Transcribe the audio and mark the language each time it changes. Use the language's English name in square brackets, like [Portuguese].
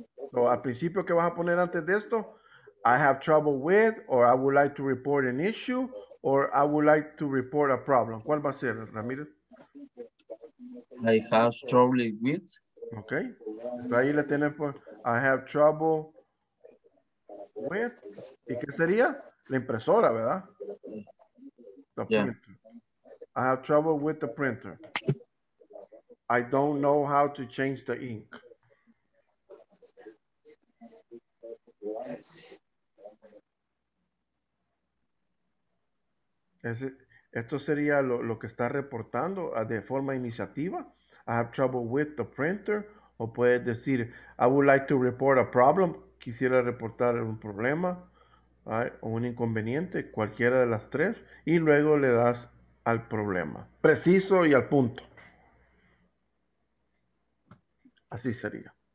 [English] So, [Spanish] al principio, ¿qué vas a poner antes de esto? [English] I have trouble with, or I would like to report an issue, or I would like to report a problem. [Spanish] ¿Cuál va a ser, Ramírez? [English] I have trouble with. Okay. So, [Spanish] ahí le tenemos, [English] I have trouble with. [Spanish] ¿Y qué sería? La impresora, ¿verdad? [English] Yeah. I have trouble with the printer. I don't know how to change the ink. [Spanish] Esto sería lo que está reportando de forma iniciativa. [English] I have trouble with the printer. [Spanish] O puedes decir, [English] I would like to report a problem. [Spanish] Quisiera reportar un problema. O un inconveniente, cualquiera de las tres, y luego le das al problema. Preciso y al punto. Así sería.